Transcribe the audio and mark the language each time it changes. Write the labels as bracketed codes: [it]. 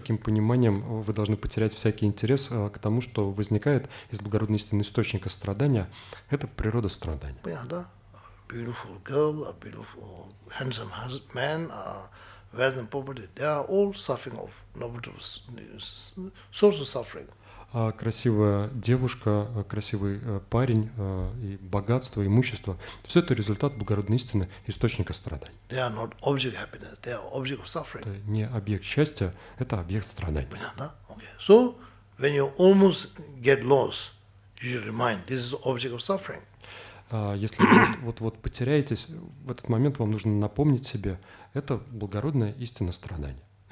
[ru] Таким пониманием вы должны потерять всякий интерес к тому, что возникает из благородной истины источника страдания. Это природа страдания. Понятно, да? [en] Beautiful girl, a beautiful handsome man, wealth and poverty, they are all suffering of nobody's source of suffering. [ru] Красивая девушка, красивый парень, и богатство, имущество – все это результат благородной истины, источника страданий. [en] They are not object happiness, they are object of suffering. [ru] Это не объект счастья, это объект страданий. Понятно? Okay. [en] So, when you almost get lost, you remind, this is object of suffering. [ru] Если вы вот-вот потеряетесь, в этот момент вам нужно напомнить себе, это благородная истина страданий.